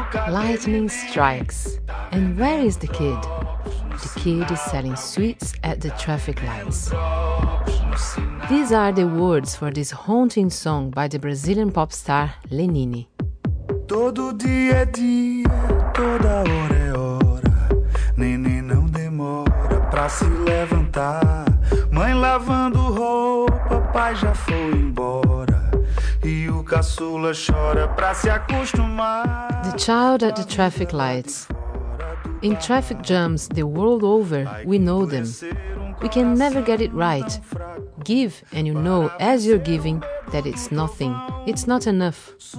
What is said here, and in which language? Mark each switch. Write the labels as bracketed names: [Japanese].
[English] Lightning strikes. And where is the kid? The kid is selling sweets at the traffic lights. These are the words for this haunting song by the Brazilian pop star Lenine. [Portuguese] Todo dia é dia, toda hora é hora. Nenê não demora pra se levantar. Mãe lavando roupa, pai já foi embora. [English] The child at the traffic lights. In traffic jams the world over, we know them. We can never get it right. Give and you know as you're giving that it's nothing, it's not enough.